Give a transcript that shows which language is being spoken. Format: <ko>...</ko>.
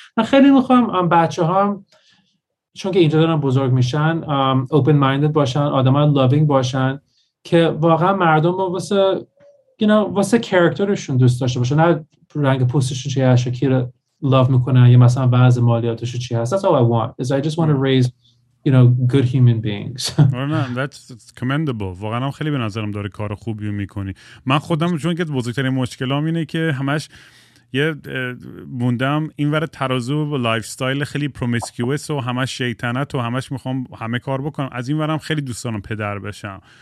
<fa>من خیلی میخوام بچه هم چون که اینجا دارن بزرگ میشن، اوپن مایندد باشن، آدمای لوینگ باشن، که واقعا مردم واسه you know واسه کاراکترشون دوست داشته باشه، نه رنگ پوستشون چی هست، کی رو لوف میکنن، یا مثلا وضع مالیاتش چی هست.</fa> <en>That's all I want is I just want to raise you know good human beings. No, that's commendable.</en> <fa>واقعا هم خیلی به نظرم داره کار خوبی میکنی. من خودم چون که بزرگترین مشکلام اینه که همش یه موندم این ور ترازو و لایف استایل خیلی پرومیسکیوس و همش شیطنت و همش میخوام همه کار بکنم، از این ورم خیلی دوست دارم پدر بشم.</fa>